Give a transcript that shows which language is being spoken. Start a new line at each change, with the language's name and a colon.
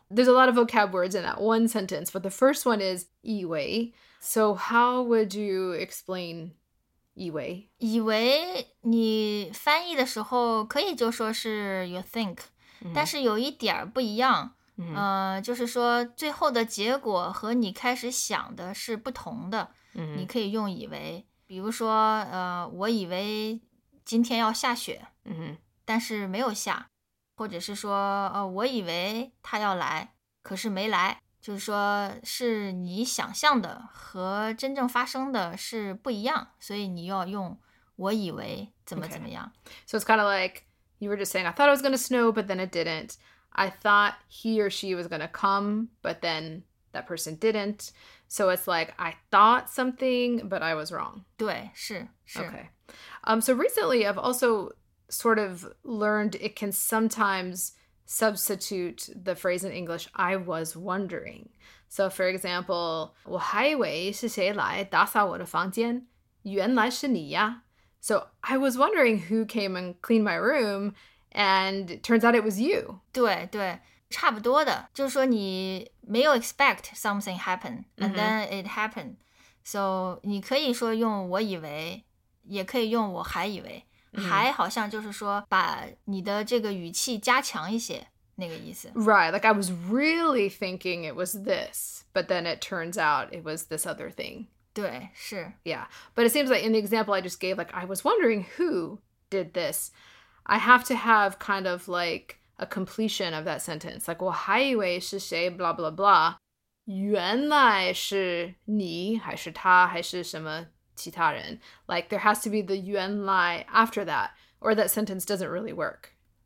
English: There's a lot of vocab words in that one sentence, but the first one is 以为。 So how would you explain 以为？
Chinese: 以为你翻译的时候可以就说是
English: you think，
Chinese: 但是有一点不一样，就是说最后的结果和你开始想的是不同的，你可以用以为。比如说我以为今天要下雪，但是没有下，或者是说我以为他要来可是没来，就是说是你想象的和真正发生的是不一样，所以你要用我以为怎么怎么样。
English: Okay. So it's kind of like you were just saying, I thought it was going to snow, but then it didn't. I thought he or she was going to come, but then that person didn't. So it's like, I thought something, but I was wrong.
Chinese: 对，是，是。
English: Okay. So recently, I've also sort of learned it can sometimes substitute the phrase in English, I was wondering.
Chinese: So for example, 我还以为是谁来打扫我的房间，原来是你呀。
English: So I was wondering who came and cleaned my room, and turns out it was you.
Chinese: 对对，差不多的，就是说你没有
English: expect something happen, and then it happened.
Chinese: So 你可以说用我以为，也可以用我还以为。还好像就是说把你的这个语气加强一些那个意思。
English: Right, like I was really thinking it was this, but then it turns out it was this other thing.
Chinese: 对，是。
English: Yeah, but it seems like in the example I just gave, like, I was wondering who did this. I have to have kind of like a completion of that sentence.
Chinese: Like, 我还以为是谁
English: blah, blah, blah.
Chinese: 原来是你还是他还是什么其他人。
English: Like, there has to be the 原来 after that, or that sentence doesn't really work.